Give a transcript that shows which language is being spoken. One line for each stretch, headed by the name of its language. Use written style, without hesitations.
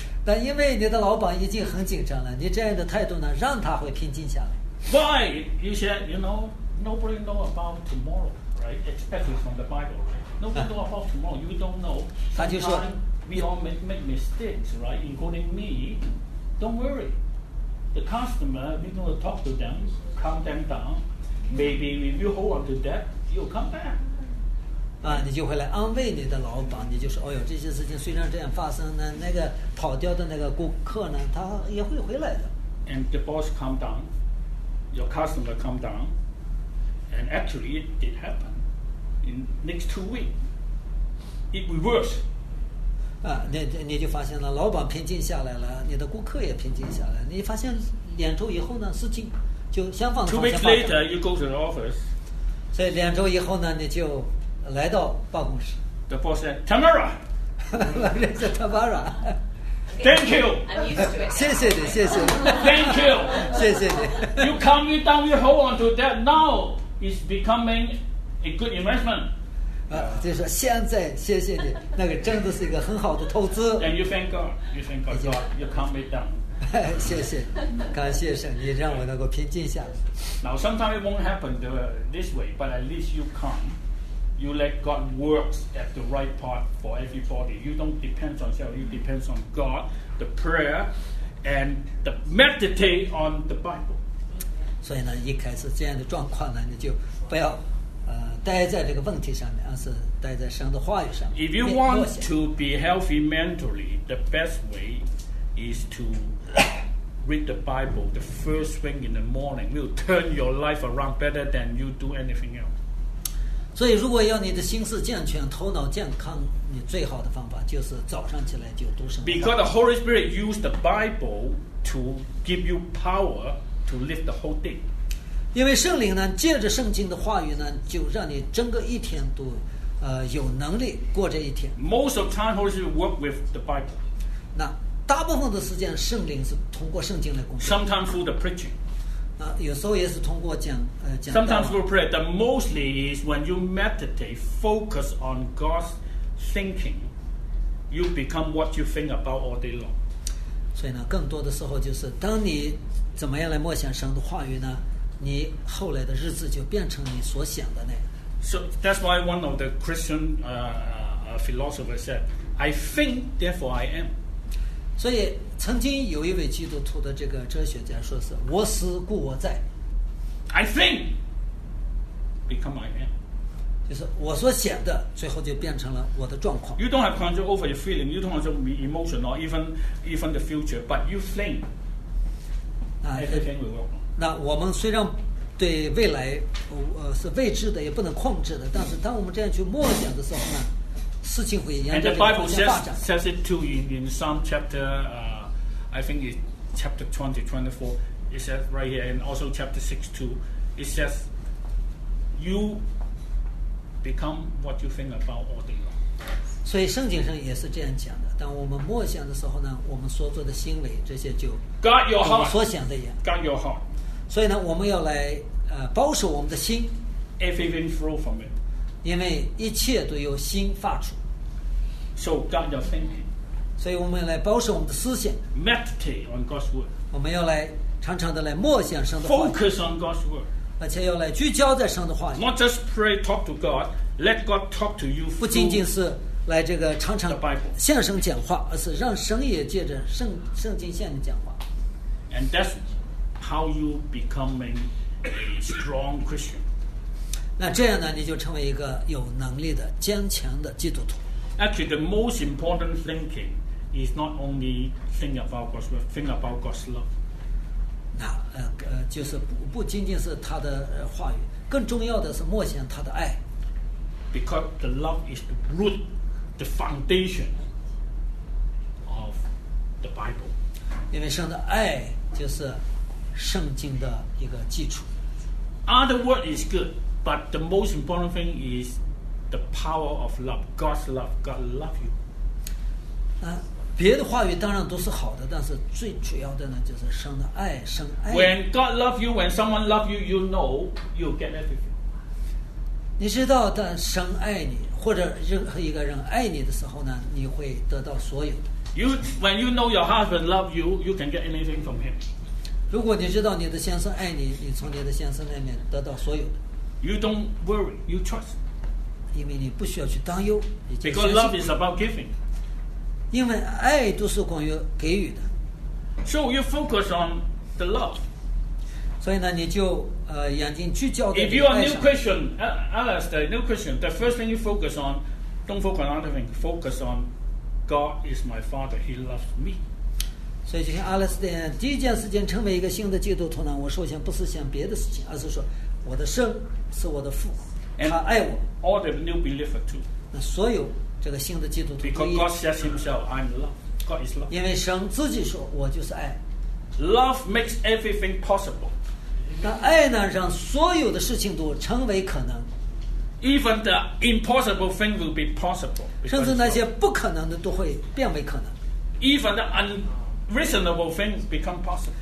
Chinese: 但因为你的老板已经很紧张了，你这样的态度呢，让他会平静下来。
English: Why? You said, you know, nobody know about tomorrow, right? Especially from the Bible, right? Nobody know about tomorrow. You don't know. Sometimes
Chinese: 他就说
English: we all make mistakes, right? Including me. Don't worry. The customer, we gonna talk to them, calm them down. Maybe if you hold on to that, you'll come back.
Chinese: 你就会来安慰你的老板，你就说，哦哟，这些事情虽然这样发生呢，那个跑掉的那个顾客呢，他也会回来的。
English: And the boss calm down, your customer calm down, and actually it did happen. In next 2 weeks, it reversed.
Chinese: 你就发现了，老板平静下来了，你的顾客也平静下来，你发现两周以后呢，事情就相反。
English: 2 weeks later, you go to the office.
Chinese: 所以两周以后呢，你就。来到办公室。
English: The boss said, Tamara.
Chinese: 老人家 Tamara。
English: Thank you. I'm used to it.
Chinese: 谢谢你，谢谢你。
English: Thank you.
Chinese: 谢谢你。
English: You calm me down. You hold on to that. Now it's becoming a good investment.
Chinese: 就是说现在谢谢你，那个真的是一个很好的投资。
English: And you thank God. You thank God. God. You calm me down.
Chinese: 谢谢，感谢神，你让我能够平静下来。
English: Now sometimes it won't happen this way, but at least you come, you let God work at the right part for everybody. You don't depend on yourself, you depend on God, the prayer, and the meditate on the Bible.
Chinese: 所以呢，一开始这样的状况呢，你就不要待在这个问题上面，而是待在神的话语上面。
English: If you want to be healthy mentally, the best way is to read the Bible the first thing in the morning. Will turn your life around better than you do anything else.
Chinese: 所以，如果要你的心思健全、头脑健康，你最好的方法就是早上起来就读圣经。
English: Because the Holy Spirit used the Bible to give you power to live the whole day.
Chinese: 因为圣灵呢，借着圣经的话语呢，就让你整个一天都有能力过这一天。
English: Most of time, Holy Spirit work with the Bible.
Chinese: 那大部分的时间圣灵是通过圣经来工作。
English: Sometimes through the preaching.
Chinese: 有时候也是通过讲道。
English: Sometimes through prayer. But mostly is when you meditate, focus on God's thinking, you become what you think about all day long.
Chinese: 所以呢，更多的时候就是当你怎么样来默想神的话语呢，你后来的日子就变成你所想的那样。
English: So that's why one of the Christian philosophers said, I think, therefore I am.
Chinese: 所以曾经有一位基督徒的这个哲学家说是我思故我在
English: I think become I am
Chinese: 就是我所想的最后就变成了我的状况
English: You don't have control over your feeling You don't have emotion or even the future But you think Everything will work
Chinese: 那我们虽然对未来是未知的也不能控制的但是当我们这样去默想的时候呢事情会沿着这个方向发展
English: And the Bible says it too in some chapter I think it's chapter 20, 24 It says right here And also chapter 6 too It says You become what you think about all day long
Chinese: 所以圣经上也是这样讲的当我们默想的时候呢我们所做的行为这些就
English: Guard your heart
Chinese: 所想的也
English: Guard your heart
Chinese: 所以呢我们要来保守我们的心
English: Everything flow from it
Chinese: 因为一切都由心发出
English: so guard your thinking
Chinese: 所以我们来保守我们的思想
English: meditate on God's word
Chinese: 我们要来常常的来默想神的话语
English: focus on God's word
Chinese: 而且要来聚焦在神的话语
English: not just pray talk to God let God talk to you
Chinese: 不仅仅是来这个常常向神讲话而是让神也借着圣经向你讲话
English: and that's how you becoming a strong Christian
Chinese: 那这样呢，你就成为一个有能力的、坚强的基督徒。
English: Actually, the most important thinking is not only think about God's word, think about God's love.
Chinese: 那就是不仅仅是他的话语，更重要的是默想他的爱。
English: Because the love is the root, the foundation of the Bible.
Chinese: 因为神的爱就是圣经的一个基础。
English: Other word is good. But the most important thing is the power of love, God's love. God loves you.
Chinese: 别的话语当然都是好的，但是最主要的呢，就是神的爱，神爱。
English: When God loves you, when someone loves you, you know you'll get everything.
Chinese: 你知道，但神爱你，或者任何一个人爱你的时候呢，你会得到所有的。
English: You when you know your husband loves you, you can get anything from him.
Chinese: 如果你知道你的先生爱你，你从你的先生那边得到所有的。
English: You don't worry, you trust.
Chinese: 因为你不需要去担忧。
English: Because love is about giving.
Chinese: 因为爱都是关于给予的。
English: So you focus on the love.
Chinese: 所以呢，你就眼睛聚焦在爱上。
English: If you are new Christian, Alistair, new Christian, the first thing you focus on, don't focus on anything. Focus on God is my Father. He loves me.
Chinese: 所以就像阿拉斯的第一件事情成为一个新的基督徒呢我首先不是想别的事情而是说我的神是我的父他爱我
English: all the new believer too
Chinese: 那所有这个新的基督徒
English: because God says himself I'm love God is love
Chinese: 因为神自己说我就是爱
English: love makes everything possible
Chinese: 那爱呢让所有的事情都成为可能
English: even the impossible thing will be possible.
Chinese: 甚至那些不可能的都会变为可能。
English: Even the unreasonable things become possible.